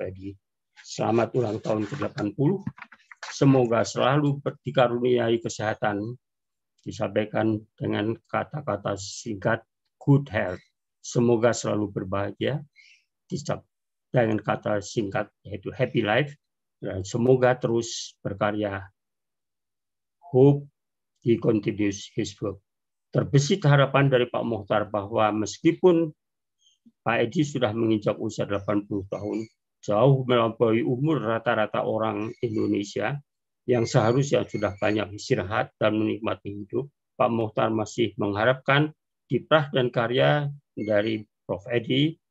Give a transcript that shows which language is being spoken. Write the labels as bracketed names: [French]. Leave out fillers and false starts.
[Indonesian] Edi. Selamat ulang tahun ke-80. Semoga selalu dikaruniai kesehatan. Disampaikan dengan kata-kata singkat, [English] good health. [Indonesian] Semoga selalu berbahagia. Disampaikan dengan kata singkat, yaitu [English] happy life. [Indonesian] Dan semoga terus berkarya. [English] Hope he continues his work. [Indonesian] Terbesit harapan dari Pak Mohtar bahwa meskipun Pak Edi sudah menginjak usia 80 tahun, jauh melampaui umur rata-rata orang Indonesia yang seharusnya sudah banyak istirahat dan menikmati hidup, Pak Mohtar masih mengharapkan kiprah dan karya dari Prof. Edi.